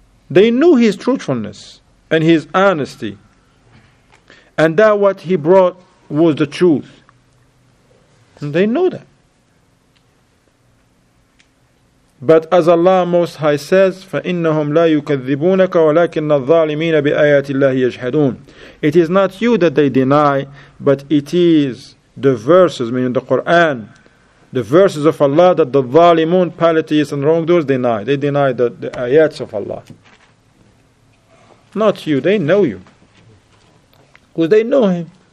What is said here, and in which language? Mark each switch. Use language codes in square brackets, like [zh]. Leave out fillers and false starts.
[en] They knew his truthfulness and his honesty, and that what he brought was the truth. And they know that. But as Allah Most High says, [ar] فَإِنَّهُمْ لَا يُكَذِّبُونَكَ وَلَكِنَّ الظَّالِمِينَ بِآيَاتِ اللَّهِ يَجْحَدُونَ. [en] It is not you that they deny, but it is the verses, meaning the Quran, the verses of Allah that the ظالمون, polytheists and wrongdoers deny. They deny the ayats of Allah. Not you, they know you. Because they know him.